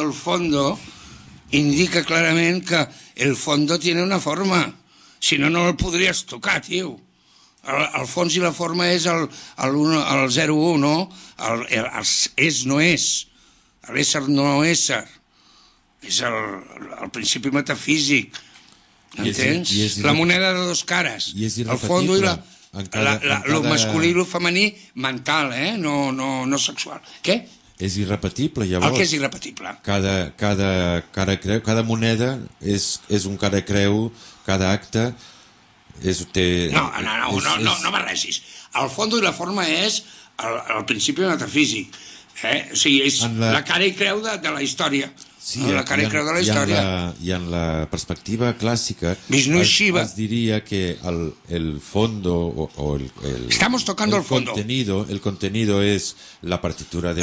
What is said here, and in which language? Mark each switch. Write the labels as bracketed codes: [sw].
[ca] el fondo indica clarament que [es] el fondo tiene una forma, [ca] si no, no el podries tocar, tio. El fons i la forma és el 0-1, no? El és, no és. L'ésser, no ésser. És el principi metafísic. Entens? La moneda de dos cares. I és irrefutable. El fondo i el masculí i el femení, mental, no sexual. Què? És irrepetible, llavors. El que és irrepetible. Cada cara creu, cada moneda és un cara creu, cada acte és... No barregis. El fondo i la forma és el principi metafísic. O sigui, és la cara i creu de la història. Sí, la cara i creu de la història. I en la perspectiva clàssica... Vishnu Shiva. Es diria que el fondo o el... [es] Estamos tocando el fondo. El contenido es la partitura de